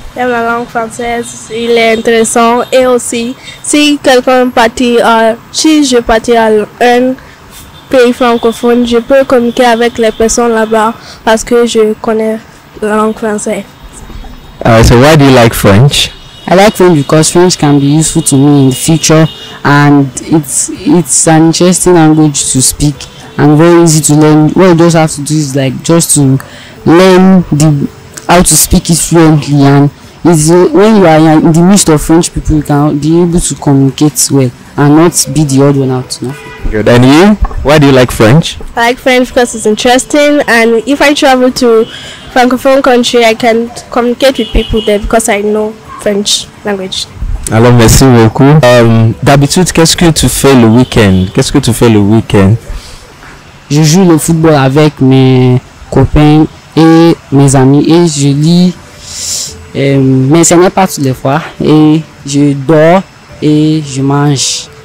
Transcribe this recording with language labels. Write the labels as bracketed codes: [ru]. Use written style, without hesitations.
[fr] J'aime la langue française, il est intéressant. Et aussi, si quelqu'un partit à, si je partis à un pays francophone, je peux communiquer avec les personnes là-bas parce que je connais la langue française. [en] So why do you like French? I like French because French can be useful to me in the future, and it's an interesting language to speak and very easy to learn. What you just have to do is like just to learn the how to speak it fluently, and it's when you are in the midst of French people, you can be able to communicate well and not be the odd one out. No? Good. And you, why do you like French? I like French because it's interesting, and if I travel to Francophone country, I can communicate with people there because I know French language. [fr] Alors, merci beaucoup. D'habitude, qu'est-ce que tu fais le week-end? Qu'est-ce que tu fais le week-end? Je joue le football avec mes copains et mes amis et je lis, mais ce n'est pas toutes les fois. Et je dors et je mange.